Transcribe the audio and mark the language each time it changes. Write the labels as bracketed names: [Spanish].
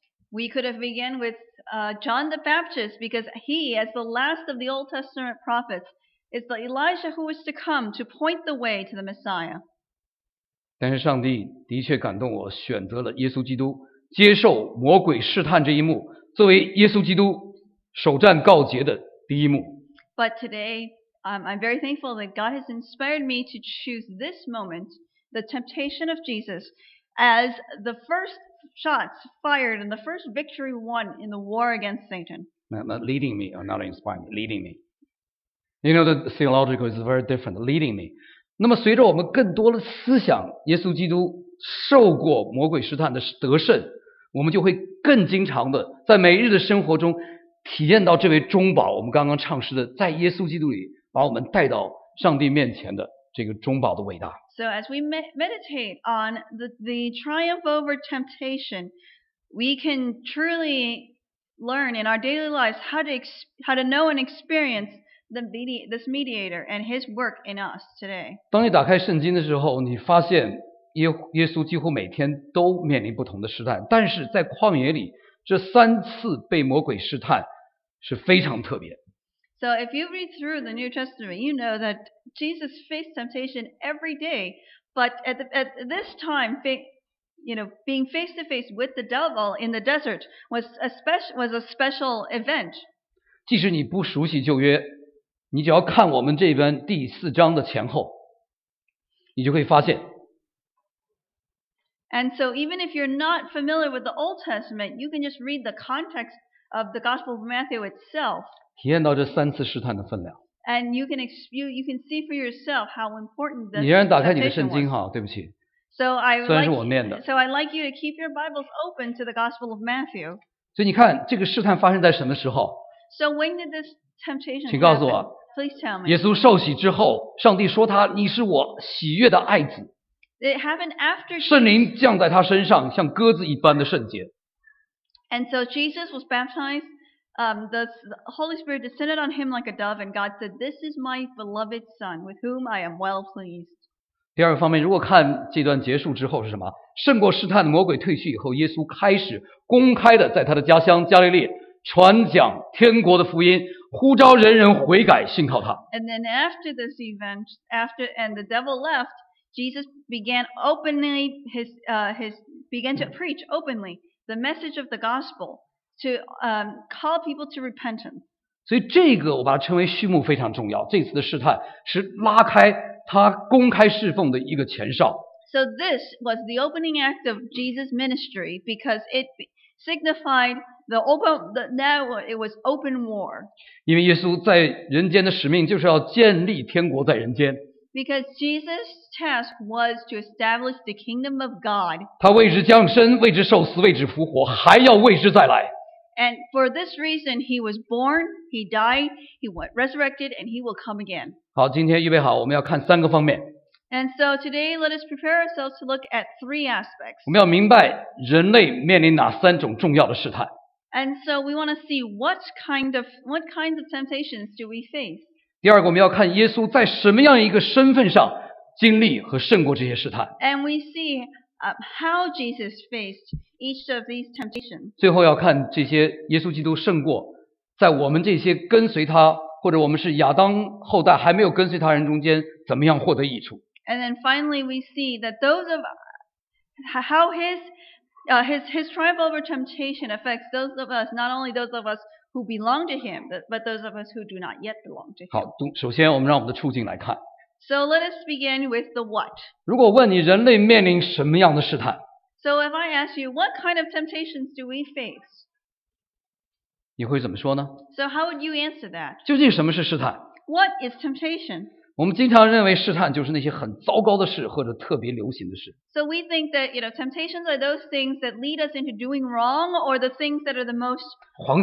[English] We could have began withJohn the Baptist, because he, as the last of the Old Testament prophets, is the Elijah who was to come to point the way to the Messiah. [Chinese] 但是上帝的确感动我，选择了耶稣基督，接受魔鬼试探这一幕，作为耶稣基督首战告捷的第一幕。 [English] But today, I'm very thankful that God has inspired me to choose this moment, the temptation of Jesus, as the first. Shots fired and the first victory won in the war against Satan. Not leading me, or not inspiring me, leading me. You know, the theological is very different, leading me. [Chinese] 那么随着我们更多的思想耶稣基督受过魔鬼试探的得胜我们就会更经常的在每日的生活中体验到这位中保我们刚刚唱诗的在耶稣基督里把我们带到上帝面前的这个中保的伟大。 [English] So as we meditate on the triumph over temptation, we can truly learn in our daily lives how to know and experience this mediator and his work in us today. [Chinese] 当你打开圣经的时候，你发现耶稣几乎每天都面临不同的试探，但是在旷野里这三次被魔鬼试探是非常特别。 [English] So if you read through the New Testament, you know that Jesus faced temptation every day, but at this time, you know, being face to face with the devil in the desert was a special event. [Chinese] 即使你不熟悉旧约，你只要看我们这边第四章的前后，你就可以发现。 [English] And so even if you're not familiar with the Old Testament, you can just read the context of the Gospel of Matthew itself. [Chinese] 体验到这三次试探的分量。 [English] And you can see for yourself how important this. [Chinese] 你让人打开你的圣经哈，对不起。 [English] So I like. [Chinese] 虽然是我念的。 [English] So I like you to keep your Bibles open to the Gospel of Matthew. [Chinese] 所以你看，这个试探发生在什么时候 [English] ？So when did this temptation? [Chinese] 请告诉我。 [English] Please tell me. [Chinese] 耶稣受洗之后，上帝说他：“你是我喜悦的爱子。” [English] It happened after. [Chinese] 圣灵降在他身上，像鸽子一般的圣洁。 [English] And so Jesus was baptized. The Holy Spirit descended on him like a dove, and God said, "This is my beloved Son, with whom I am well pleased." [Chinese] 第二方面，如果看这段结束之后是什么？胜过试探的魔鬼退去以后，耶稣开始公开的在他的家乡加利利传讲天国的福音，呼召人人悔改信靠他。 [English] And then after this event, and the devil left, Jesus began to preach openly the message of the gospel. To call people to repentance. [Chinese] 所以这个我把它称为序幕非常重要。这次的试探是拉开他公开侍奉的一个前哨。 [English] So this was the opening act of Jesus' ministry because it signified it was open war. [Chinese] 因为耶稣在人间的使命就是要建立天国在人间。 [English] Because Jesus' task was to establish the kingdom of God. [Chinese] 他为之降生，为之受死，为之复活，还要为之再来。 [English] And for this reason, he was born, he died, he was resurrected, and he will come again. [Chinese] 好，今天预备好，我们要看三个方面。 [English] And so today, let us prepare ourselves to look at three aspects. [Chinese] 我们要明白人类面临哪三种重要的试探。 [English] And so we want to see what kinds of temptations do we face. [Chinese] 第二个，我们要看耶稣在什么样一个身份上经历和胜过这些试探。 [English] And we see how Jesus faced each of these temptations. [Chinese] 最后要看这些耶稣基督胜过，在我们这些跟随他或者我们是亚当后代还没有跟随他人中间怎么样获得益处。 [English] And then finally, we see that those of how his triumph over temptation affects those of us, not only those of us who belong to him, but those of us who do not yet belong to him. [Chinese] 好，首先我们让我们的处境来看。 [English] So let us begin with the what. [Chinese] 如果问你人类面临什么样的试探 [English] ？So if I ask you, what kind of temptations do we face? [Chinese] 你会怎么说呢 [English] ？So how would you answer that? [Chinese] 究竟什么是试探 [English] ？What is temptation? [Chinese] 我们经常认为试探就是那些很糟糕的事或者特别流行的事。 [English] So we think that, you know, temptations are those things that lead us into doing wrong or the things that are the most popular.